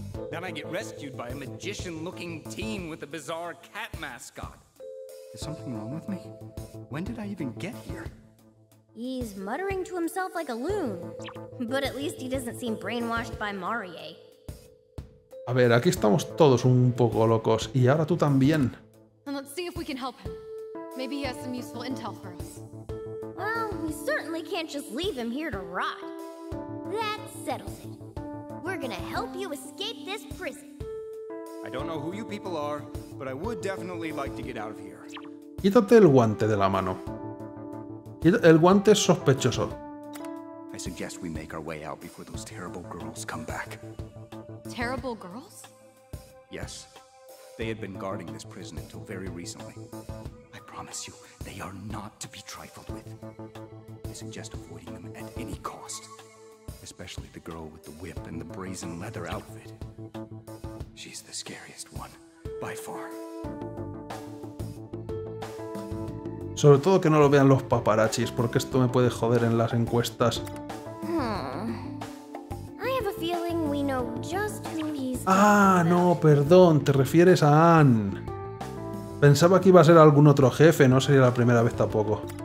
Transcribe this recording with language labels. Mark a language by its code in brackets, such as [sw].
[en] Then I get rescued by a magician-looking team with a bizarre cat mascot. Is something wrong with me? When did I even get here? He's muttering to himself like a loon. But at least he doesn't seem brainwashed by Marie. [es] A ver, aquí estamos todos un poco locos. Y ahora tú también. [en] And let's see if we can help him. Maybe he has some useful intel for us. Well, we certainly can't just leave him here to rot. That settles it. We're gonna help you escape this prison. I don't know who you people are, but I would definitely like to get out of here. [es] Quítate el guante de la mano. El guante es sospechoso. [en] I suggest we make our way out before those terrible girls come back. Terrible girls? Yes. They had been guarding this prison until very recently. I promise you, they are not to be trifled with. I suggest avoiding them at any cost. Especially the girl with the whip and the brazen leather outfit. She's the scariest one, by far. [es] Sobre todo que no lo vean los paparazzis, porque esto me puede joder en las encuestas. [en] I have a feeling we know just who he's. [es] Ah, no, perdón, te refieres a Ann. Pensaba que iba a ser algún otro jefe, no sería la primera vez tampoco.